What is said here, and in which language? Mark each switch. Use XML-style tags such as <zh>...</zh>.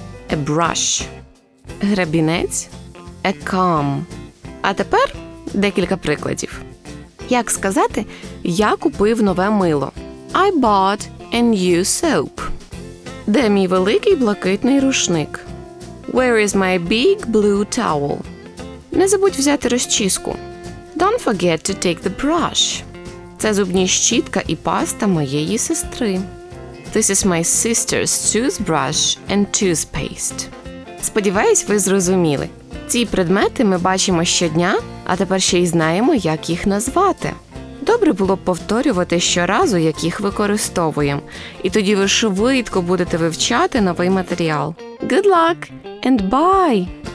<en>A brush.</en> <uk>Гребінець.</uk> <en>A comb.</en> <uk>А тепер декілька прикладів. Як сказати «я купив нове мило»?</uk> <en>I bought a new soap.</en> <uk>Де мій великий блакитний рушник?</uk> <en>Where is my big blue towel?</en> <uk>Не забудь взяти розчіску.</uk> <en>Don't forget to take the brush.</en> <uk>Це зубні щітка і паста моєї сестри.</uk> <en>This is my sister's toothbrush and toothpaste.</en> <uk>Сподіваюсь, ви зрозуміли. Ці предмети ми бачимо щодня, а тепер ще й знаємо, як їх назвати. Добре було б повторювати щоразу, як їх використовуємо. І тоді ви швидко будете вивчати новий матеріал.</uk> <en>Good luck and bye!</en>